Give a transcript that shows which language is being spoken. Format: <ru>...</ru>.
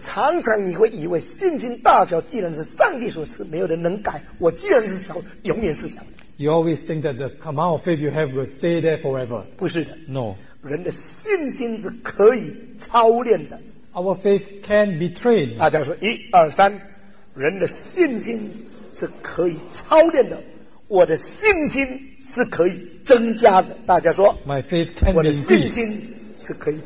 <zh>常常你会以为信心大小既然是上帝所赐，没有人能改，我既然是小，永远是小的。</zh> <en>You always think that the amount of faith you have will stay there forever.</en> <zh>不是的。</zh> <en>No.</en> <zh>人的信心是可以操练的。</zh> <en>Our faith can be trained.</en> <zh>大家说一二三, 人的信心是可以操练的。我的信心是可以增加的，大家说。</zh> <en>My faith can be increased.</en>